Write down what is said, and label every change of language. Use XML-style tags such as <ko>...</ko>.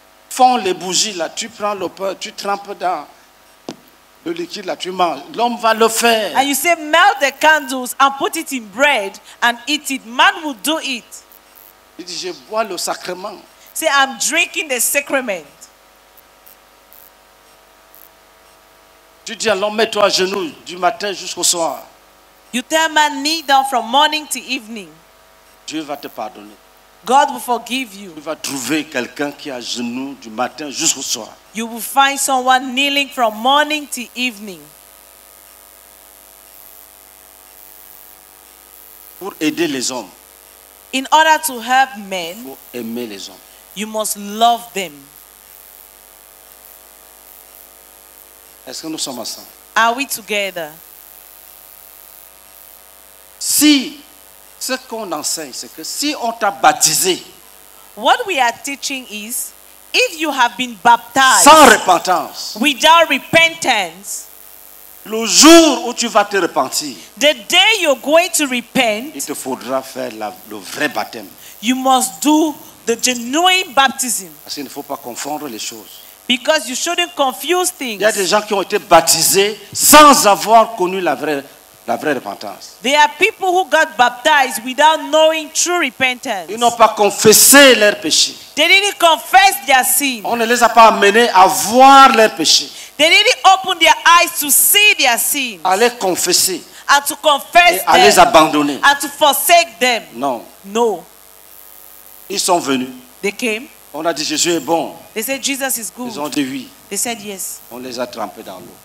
<fr>Fonds les bougies là, tu prends le pain, tu trempes dans le liquide là, tu manges. L'homme va le faire.</fr> <en>And you say, melt the candles and put it in bread and eat it. Man will do it.</en> <fr>Il dit, je bois le sacrement.</fr> <en>Say, I'm drinking the sacrament.</en> <fr>Tu dis à l'homme, mets-toi à genoux du matin jusqu'au soir.</fr> <en>You tell man, kneel down from morning to evening.</en> <fr>Dieu va te pardonner.</fr> <en>God will forgive you.</en> <fr>Tu vas trouver quelqu'un qui a genoux du matin jusqu'au soir.</fr> <en>You will find someone kneeling from morning to evening.</en> <fr>Pour aider les hommes.</fr> <en>In order to help men,</en> <fr>faut aimer les hommes.</fr> <en>You must love them.</en> <fr>Est-ce que nous sommes ensemble?</fr> <en>Are we together?</en> <fr>Si ce qu'on enseigne, c'est que si on t'a baptisé,</fr> <en>what we are teaching is, if you have been baptized</en> <fr>sans repentance,</fr> <en>without repentance,</en> <fr>le jour où tu vas te repentir,</fr> <en>the day you're going to repent,</en> <fr>il te faudra faire le vrai baptême.</fr> <en>You must do the genuine baptism.</en> <fr>Parce qu'il ne faut pas confondre les choses.</fr> <en>Because you shouldn't confuse things.</en> <fr>Il y a des gens qui ont été baptisés sans avoir connu la vraie repentance.</fr> <en>There are people who got baptized without knowing true repentance.</en> <fr>Ils n'ont pas confessé leurs péchés.</fr> <en>They didn't confess their sins.</en> <fr>On ne les a pas amenés à voir leurs péchés.</fr> <en>They didn't open their eyes to see their sins.</en> <fr>À les confesser.</fr> <en>And to confess</en> <fr>et</fr> <en>them.</en> <fr>À les abandonner.</fr> <en>And to forsake them.</en> <fr>Non.</fr> <en>No.</en> <fr>Ils sont venus.</fr> <en>They came.</en> <fr>On a dit Jésus est bon.</fr> <en>They said Jesus is good.</en> <fr>Ils ont dit oui.</fr> <en>They said yes.</en> <fr>On les a trempés dans l'eau.</fr>